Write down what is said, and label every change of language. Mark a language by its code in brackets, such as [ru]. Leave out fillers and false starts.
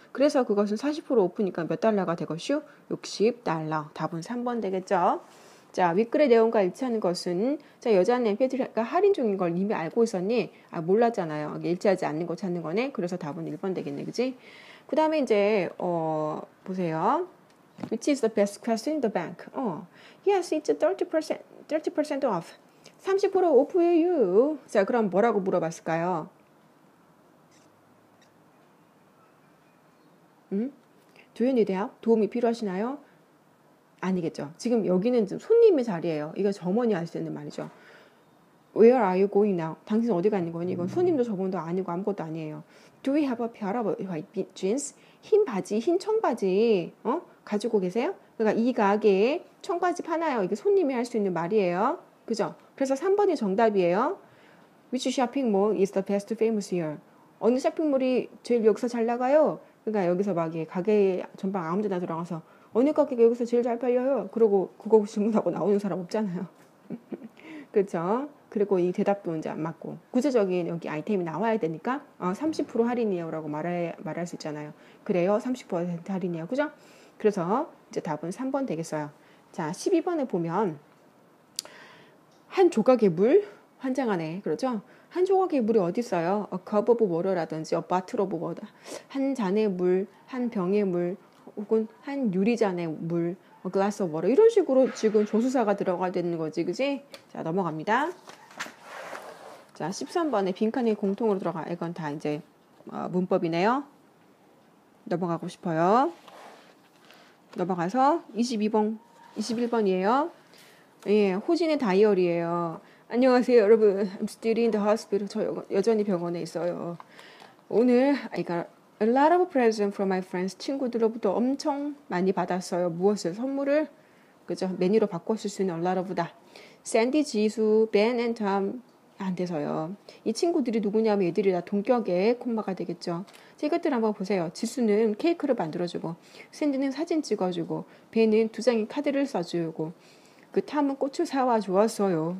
[ko] 그래서 그것은 40% 오프니까 몇 달러가 되겠슈? $60. 답은 3번 되겠죠? 자, 윗글의 내용과 일치하는 것은 자, 여자는 MP3가 할인 중인 걸 이미 알고 있었니? 아, 몰랐잖아요. 일치하지 않는 거 찾는 거네. 그래서 답은 1번 되겠네. 그지? 그 다음에 이제 보세요. [en] Which is the best question in the bank? Yes, it's 30% off. 30% off예요. [ko] 자, 그럼 뭐라고 물어봤을까요? 도움이 돼요? 도움이 필요하시나요? 아니겠죠. 지금 여기는 좀 손님의 자리예요. 이거 점원이 할 수 있는 말이죠. [en] Where are you going now? [ko] 당신 어디 가는 거니? 이건 손님도 저분도 아니고 아무것도 아니에요. [en] Do we have a pair of white jeans? [ko] 흰 바지, 흰 청바지. 어? 가지고 계세요? 그러니까 이 가게에 청바지 파나요? 이게 손님이 할 수 있는 말이에요. 그죠? 그래서 3번이 정답이에요. [en] Which shopping mall is the best famous here? [ko] 어느 쇼핑몰이 제일 여기서 잘 나가요? 그러니까 여기서 막 가게 전방 아무 데나 들어가서 어느 가게가 여기서 제일 잘 팔려요? 그러고 그거 질문하고 나오는 사람 없잖아요. 그죠? 그리고 이 대답도 이제 안 맞고 구체적인 여기 아이템이 나와야 되니까 30% 할인이에요 라고 말할 수 있잖아요. 그래요? 30% 할인이에요. 그죠? 그래서 이제 답은 3번 되겠어요. 자, 12번에 보면 한 조각의 물? 환장하네. 그렇죠? 한 조각의 물이 어디 있어요? [en] A cup of water라든지 a bottle of water. [ko] 한 잔의 물, 한 병의 물, 혹은 한 유리잔의 물, [en] a glass of water. [ko] 이런 식으로 지금 조수사가 들어가야 되는 거지, 그지? 자, 넘어갑니다. 자, 13번에 빈칸이 공통으로 들어가. 이건 다 이제 문법이네요. 넘어가고 싶어요. 넘어가서 22번, 21번이에요. 예, 호진의 다이어리예요. 안녕하세요, 여러분. [en] I'm still in the hospital. [ko] 저 여전히 병원에 있어요. 오늘 [en] I got a lot of presents from my friends. [ko] 친구들로부터 엄청 많이 받았어요. 무엇을 선물을? 그죠? 메뉴로 바꿔 쓸 수 있는 a lot of다. Sandy, Jisoo, Ben and Tom. 안 돼서요. 이 친구들이 누구냐면 얘들이 다 동격의 콤마가 되겠죠. 이것들 한번 보세요. 지수는 케이크를 만들어주고, 샌디는 사진 찍어주고, 벤은 두 장의 카드를 써주고, 그 탐은 꽃을 사와 주었어요.